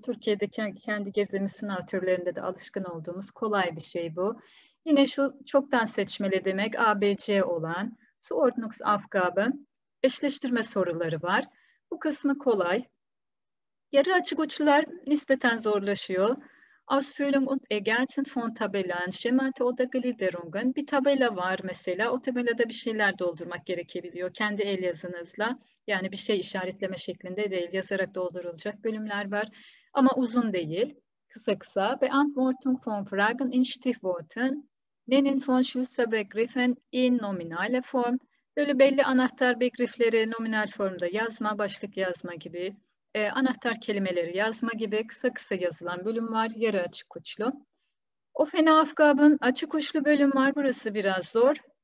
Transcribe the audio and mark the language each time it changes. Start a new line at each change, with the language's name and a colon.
Turkish: Türkiye'de kendi girdiğimiz sınav türlerinde de alışkın olduğumuz kolay bir şey bu. Yine şu çoktan seçmeli demek A, B, C olan Zuordnungsaufgabe, eşleştirme soruları var. Bu kısmı kolay. Yarı açık uçlular nispeten zorlaşıyor.
German: Ausfüllung und Ergänzen von Tabellen, Schemata oder Gliederungen.
Turkish: Bir tabela var mesela. O tabelada bir şeyler doldurmak gerekebiliyor. Kendi el yazınızla. Yani bir şey işaretleme şeklinde değil. Yazarak doldurulacak bölümler var. Ama uzun değil. Kısa kısa.
German: Beantwortung von Fragen in Stichworten. Nennen von Schlüsselbegriffen in nominale Form.
Turkish: Böyle belli anahtar begriffleri nominal formda yazma, başlık yazma gibi. Anahtar kelimeleri yazma gibi kısa kısa yazılan bölüm var. Yarı açık uçlu. Offene Aufgaben açık uçlu bölüm var. Burası biraz zor.